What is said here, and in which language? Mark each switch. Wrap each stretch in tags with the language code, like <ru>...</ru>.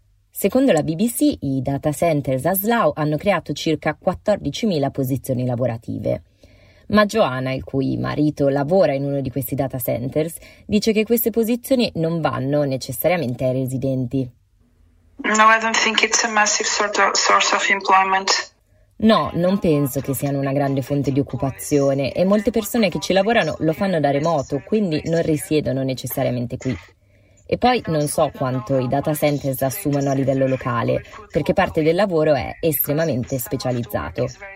<it>Secondo la BBC, i data centers a Slough hanno creato circa 14.000 posizioni lavorative. Ma Joana, il cui marito lavora in uno di questi data centers, dice che queste posizioni non vanno necessariamente ai residenti.</it> <en>No, I don't think it's a massive sort of source of employment.</en> <it>No, non penso che siano una grande fonte di occupazione e molte persone che ci lavorano lo fanno da remoto, quindi non risiedono necessariamente qui. E poi non so quanto i data centers assumano a livello locale, perché parte del lavoro è estremamente specializzato.</it>